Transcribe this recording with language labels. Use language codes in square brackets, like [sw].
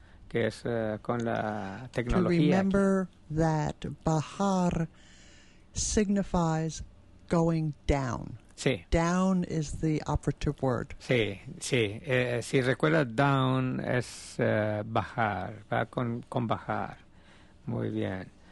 [es] Que es con la tecnología. [en] To remember [es] aquí. [en] That bajar signifies going down. [es] Sí. [en] Down is the operative word. [es] Sí, sí. Si recuerdas, down es bajar, va con bajar. Muy bien.